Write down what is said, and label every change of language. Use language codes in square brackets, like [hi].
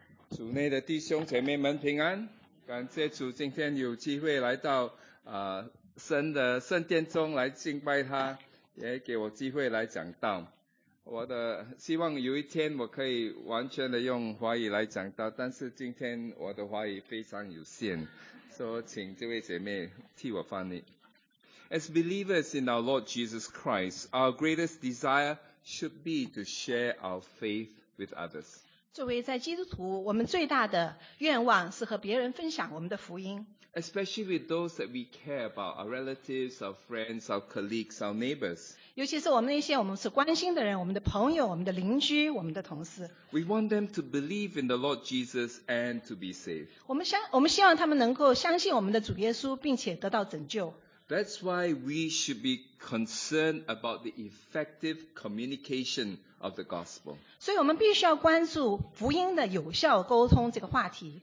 [zh] 主内的弟兄姐妹们平安，感谢主今天有机会来到神的圣殿中来敬拜他，也给我机会来讲道。我的希望有一天我可以完全的用华语来讲道，但是今天我的华语非常有限，所以请这位姐妹替我翻译。 [en] As believers in our Lord Jesus Christ, our greatest desire should be to share our faith with others. [zh] 作为在基督徒，我们最大的愿望是和别人分享我们的福音。 [en] Especially with those that we care about, our relatives, our friends, our colleagues, our neighbors. [zh] 尤其是我们那些我们是关心的人，我们的朋友，我们的邻居，我们的同事。 [en] We want them to believe in the Lord Jesus and to be saved. [zh] 我们希望他们能够相信我们的主耶稣，并且得到拯救。 [en] That's why we should be concerned about the effective communication of the gospel. [zh] 所以我们必须要关注福音的有效沟通这个话题。